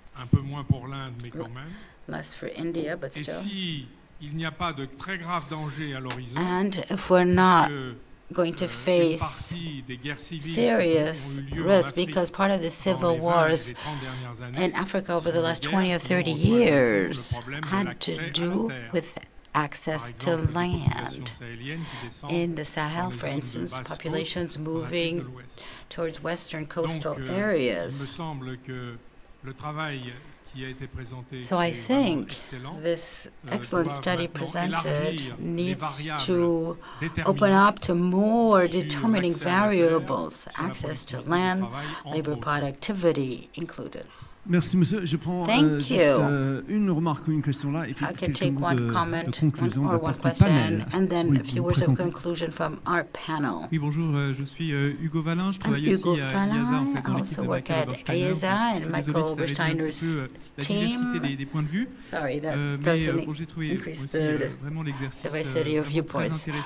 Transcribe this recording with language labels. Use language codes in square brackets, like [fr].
[fr] Un peu moins pour l'Inde, mais quand même. [en] Less for India, but still. [fr] Et si il n'y a pas de très grave danger à l'horizon, [en] and if we're not going to face serious risk because part of the civil wars in Africa over the last 20 or 30 years had to do with access to land. In the Sahel, for instance, populations moving towards western coastal areas. So I think this excellent study presented needs to open up to more determining variables, access to land, labor productivity included. [fr] Merci, monsieur. Je prends une remarque ou une question là, et puis quelques mots de conclusion de notre panel. [en] And then a few words of conclusion from our panel. [fr] Oui, bonjour. Je suis Hugo Valin. Je travaille aussi à IAASA, en fait, dans l'équipe de Michael Obersteiner. [en] And Michael Obersteiner's team. Sorry, that doesn't increase the diversity of viewpoints.